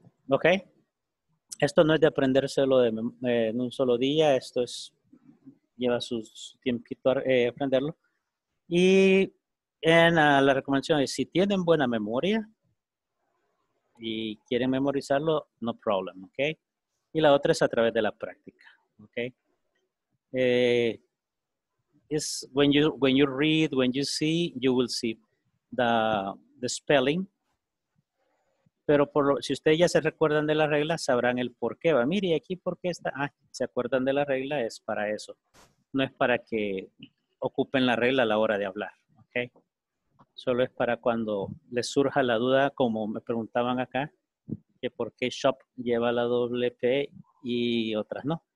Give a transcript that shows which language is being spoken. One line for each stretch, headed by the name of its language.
Spanish: Ok, esto no es de aprendérselo en un solo día, esto es, lleva su tiempito a aprenderlo. Y en la recomendación es, si tienen buena memoria y quieren memorizarlo,
English: no problem,
Spanish: ok. Y la otra es a través de la práctica, ok.
English: It's when you read, when you see, you will see the spelling.
Spanish: Pero por lo, si ustedes ya se recuerdan de la regla, sabrán el por qué. Va, mire, aquí por qué está. Ah, se acuerdan de la regla, es para eso. No es para que ocupen la regla a la hora de hablar. Okay? Solo es para cuando les surja la duda, como me preguntaban acá, que por qué shop lleva la doble P y otras no.